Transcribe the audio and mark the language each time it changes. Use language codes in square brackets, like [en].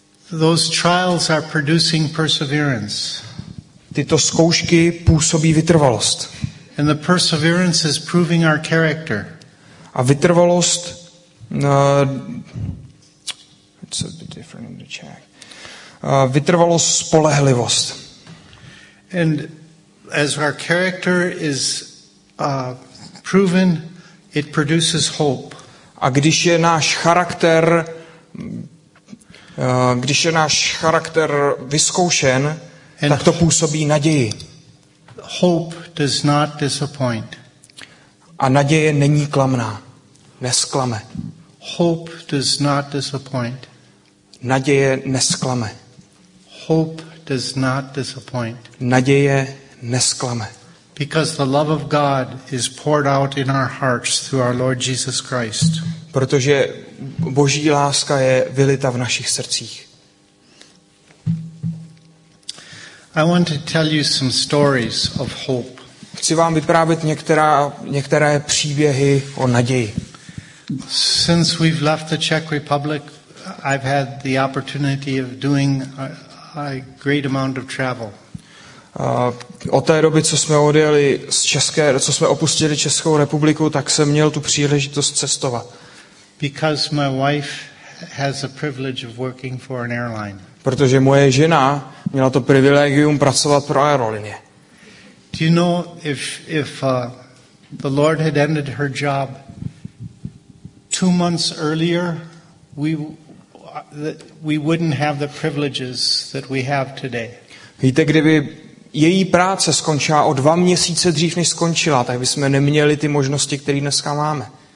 [en] Those trials are producing perseverance. [cs] Tyto zkoušky působí vytrvalost. [en] And the perseverance is proving our character. [cs] A vytrvalost [en] it's a bit different in the Czech. [cs] Vytrvalost, spolehlivost. [en] And as our character is proven, it produces hope. [cs] A když je náš charakter vyzkoušen, and tak to působí naději. [en] Hope does not disappoint. [cs] A naděje není klamná. Nesklame. [en] Hope does not disappoint. [cs] Naděje nesklame. [en] Hope does not disappoint. [cs] Naděje nesklame. [en] Because the love of God is poured out in our hearts through our Lord Jesus Christ. [cs] Protože Boží láska je vylita v našich srdcích. [en] I want to tell you some stories of hope. [cs] Chci vám vyprávět některé příběhy o naději. [en] Since we've left the Czech Republic, I've had the opportunity of doing a great amount of travel. [cs] Od té doby, co jsme odjeli z České, co jsme opustili Českou republiku, tak jsem měl tu příležitost cestovat. [en] Because my wife has a privilege of working for an airline. [cs] Protože moje žena měla to privilegium pracovat pro aerolinie. [en] Do you know if the Lord had ended her job 2 months earlier, we wouldn't have the privileges that we have today. [cs] Víte, kdyby její práce skončila o 2 měsíce dřív, než skončila, tak bychom neměli ty možnosti, které dneska máme.